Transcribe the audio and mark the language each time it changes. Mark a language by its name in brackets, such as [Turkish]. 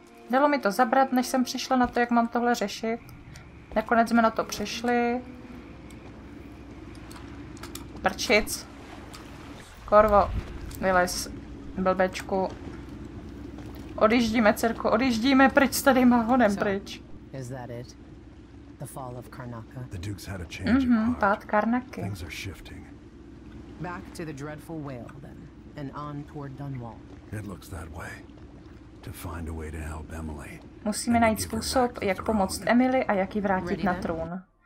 [Czech] Dalo mi to zabrat, než jsem přišla na to, jak mám tohle řešit. Nakonec jsme na to přišli. Prčic. Korvo, vylez, blbečku. Odjíždíme, dcerko, odjíždíme, pryč s tady mahonem, pryč. [English] The fall of Karnaca. The Duke's had a change of heart. [Czech] Pád Karnaky. [English] Things are shifting. Back to the dreadful whale, then, and on toward Dunwall. It looks that way. To find a way to help Emily. [Czech] Musíme najít způsob, jak pomoct Emily a jak ji vrátit na trůn.